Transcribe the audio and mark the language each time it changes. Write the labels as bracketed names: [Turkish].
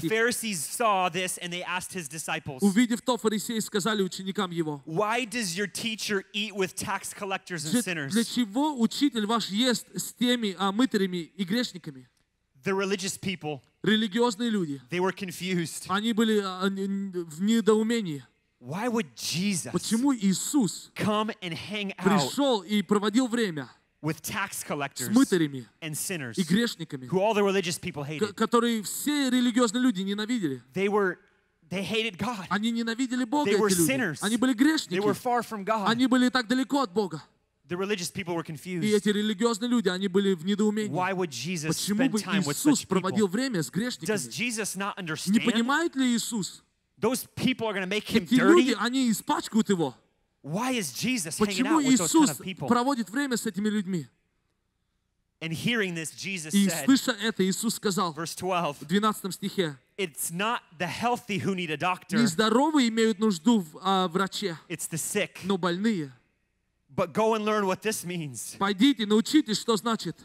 [English] The Pharisees saw this and they asked his disciples. [Russian] Увидев то, фарисеи сказали ученикам его. [English] Why does your teacher eat with tax collectors and sinners? [Russian] Для чего учитель ваш ест с теми мытарями и грешниками? [English] The religious people. [Russian] Религиозные люди. [English] They were confused. [Russian] Они были в недоумении. [English] Why would Jesus [Russian] Почему Иисус [English] come and hang out [Russian] пришел и проводил время [English] with tax collectors [Russian] с мытарями [English] and sinners, [Russian] и грешниками, [English] who all the religious people hated. [Russian] Которые все религиозные люди ненавидели? [English] They hated God. [Russian] Они ненавидели Бога, [English] they were sinners. [Russian] Они были грешники. [English] They were far from God. [Russian] Они были так далеко от Бога. [English] The religious people were confused. [Russian] И эти религиозные люди, они были в недоумении. [English] Why would Jesus [Russian] Почему [English] spend time [Russian] Иисус [English] with such [Russian] проводил [English] people? [Russian] Время с грешниками? [English] Does Jesus not understand? [Russian] Не понимает ли Иисус? [English] Those people are going to make him [Russian] Эти [English] dirty. [Russian] Люди, они испачкают его. [English] Why is Jesus [Russian] Почему [English] hanging out [Russian] Иисус [English] with those kind of people? [Russian] Проводит время с этими людьми? [English] And hearing this, Jesus [Russian] И [English] said, [Russian] слыша это, Иисус сказал, [English] verse 12, [Russian] в 12 стихе, [English] It's not the healthy who need a doctor. [Russian] Не здоровые имеют нужду в враче. [English] It's the sick. [Russian] Но больные. [English] But go and learn what this means. [Russian] Пойдите, научитесь, что значит.